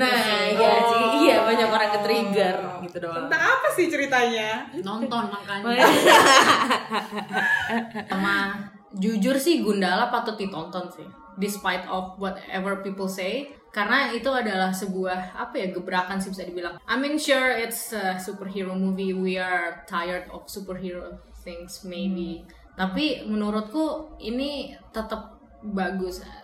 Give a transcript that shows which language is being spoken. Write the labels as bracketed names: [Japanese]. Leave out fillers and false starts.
[Indonesian] Nah iya sih, oh, iya banyak orang ketrigger gitu doang. Tentang apa sih ceritanya? Nonton makanya. Sama jujur sih Gundala patut ditonton sih, [English] despite of whatever people say. [Indonesian] Karena itu adalah sebuah apa ya, gebrakan sih bisa dibilang. [English] I mean sure it's a superhero movie, we are tired of superhero things maybe. [Indonesian] Tapi menurutku ini tetap bagus.